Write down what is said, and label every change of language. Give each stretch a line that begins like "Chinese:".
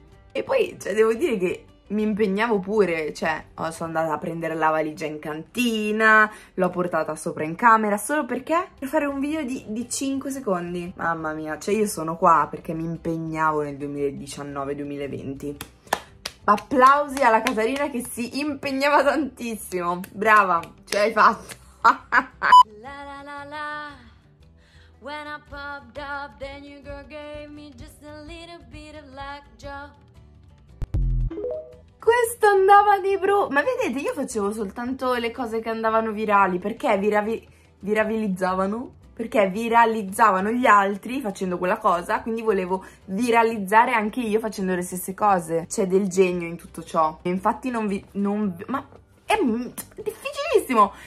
Italian: E poi, cioè, devo dire che mi impegnavo pure, cioè, sono andata a prendere la valigia in cantina, l'ho portata sopra in camera, solo perché? Per fare un video di 5 secondi. Mamma mia, cioè io sono qua perché mi impegnavo nel 2019-2020. Applausi alla Catarina che si impegnava tantissimo. Brava, ce l'hai fatto. La la la la.
English: When I popped up, then you girl gave me just a little bit of luck, Joe.
Italian: Questo andava di brutto. Ma vedete, io facevo soltanto le cose che andavano virali. Perché viralizzavano? Perché viralizzavano gli altri facendo quella cosa. Quindi volevo viralizzare anche io facendo le stesse cose. C'è del genio in tutto ciò. E infatti ma è difficilissimo.